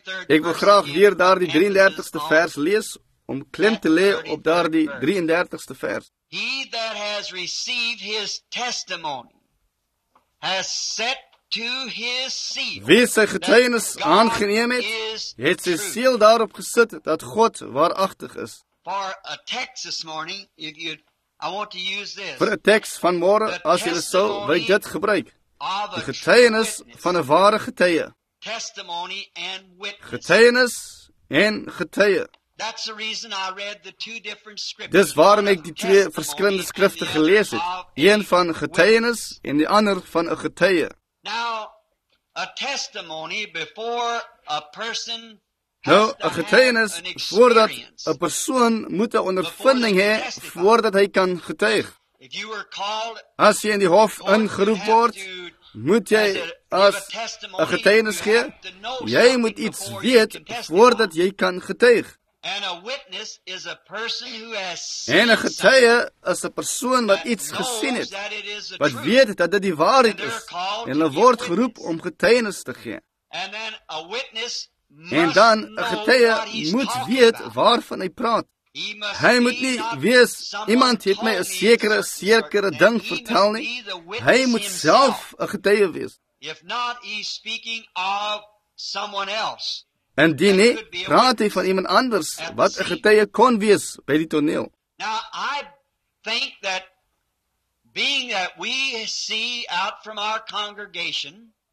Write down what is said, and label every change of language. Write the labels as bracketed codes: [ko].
[af] Ek wil graag weer daar die 33ste vers lees, om klem te lê op daar die 33ste vers. [en] He that has received his testimony has set to his seal. [af] Wie sy getuienis aangeneem het, het sy seel daarop gesit dat God waaragtig is. [en] For a text this morning, I want to use this. [af] Vir 'n teks van môre, as jy dit sou wil dit gebruik. Die getuienis van 'n ware getuie. [en] Testimony and witness. [af] Getuienis en getuie. [en] That's the reason I read the two different scriptures. [af] Dis waarom ek die twee verskillende skrifte gelees het. Een van getuienis en die ander van 'n getuie. [en] Now, a testimony before a person [af] nou, 'n getuienis voordat 'n persoon moet 'n ondervinding hê voordat hy kan getuig. As jy in die hof ingeroep word, moet jy as 'n getuienis gee. Jy moet iets weet voordat jy kan getuig. [en] And a witness is a person who has seen. [af] En 'n getuie is 'n persoon wat iets gesien het, wat weet dat dit die waarheid is, en hulle word geroep om getuienis te gee. [en] And then a witness must [af] en dan, 'n getuie moet weet waarvan hy praat. Hy moet nie wees, iemand het my 'n sekere ding vertel nie. Hy moet self 'n getuie wees. [en] If not, he's speaking of someone else. [af] En die nie, praat hy van iemand anders, wat 'n getuie kon wees by die toneel. [en] Now, I think that being that we see out from our congregation,